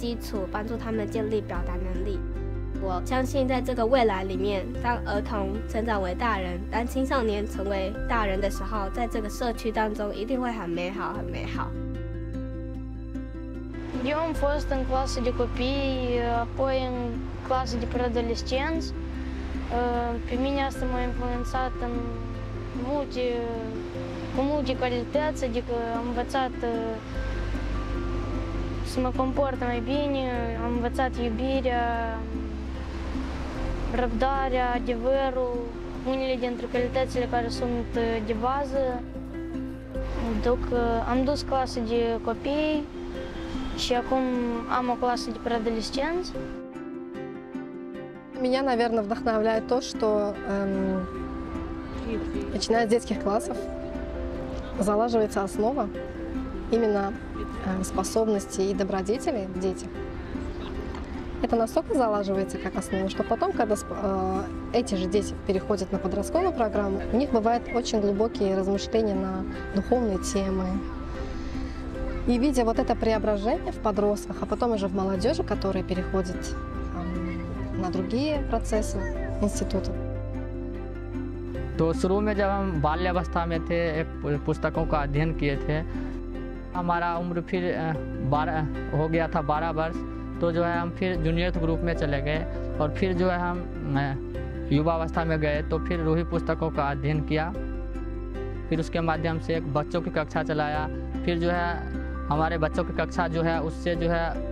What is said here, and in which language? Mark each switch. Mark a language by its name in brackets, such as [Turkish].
[Chinese] 所以就是服务的时候会帮助我更了解巴哈拉的天启所带给我们的目标在这青年的这个时期我们有能力去服务青少年去服务儿童帮助他们建立美德的基础帮助他们建立表达能力 我相信在这个未来里面，当儿童成长为大人，当青少年成为大人的时候，在这个社区当中一定会很美好，很美好。 [Romanian] Eu am fost în clasă de copii, apoi în clasă de preadolescenți. Pe mine asta m-a influențat în multe, cu multe calități, adică am învățat să mă comport mai bine, am învățat iubirea. Răbdarea, adevărul, unele dintre calitățile care sunt de bază. Am dus clasă de copii și acum am o clasă de preadolescenți. [Russian] Меня, наверное, вдохновляет то, что начиная с детских классов залаживается основа именно способностей и добродетелей в детях. Это настолько залаживается как основа, что потом, когда эти же дети переходят на подростковую программу, у них бывают очень глубокие размышления на духовные темы. И видя вот это преображение в подростках, а потом уже в молодежи, которая переходит на другие процессы института. [Hindi] तो शुरू में जब हम बाल्यावस्था में थे एक पुस्तकों का अध्ययन किए थे हमारा उम्र फिर 12 हो गया था 12 वर्ष तो जो है हम फिर जूनियर ग्रुप में चले गए और फिर जो है हम युवावस्था में गए तो फिर रूही पुस्तकों का अध्ययन किया फिर उसके माध्यम से एक बच्चों की कक्षा चलाया फिर जो है हमारे बच्चों की कक्षा जो है उससे जो है